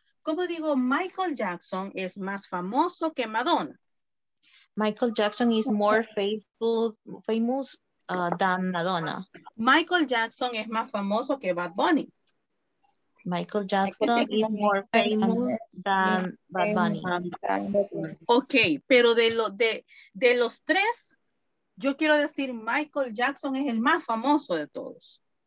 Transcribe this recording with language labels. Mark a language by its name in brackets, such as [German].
[Spanish] ¿Cómo digo Michael Jackson es más famoso que Madonna? [English] Michael Jackson is more famous than Madonna. [Spanish] Michael Jackson es más famoso que Bad Bunny. [English] Michael Jackson is more famous than Bad Bunny. [Spanish] Okay, pero de los tres, yo quiero decir Michael Jackson es el más famoso de todos.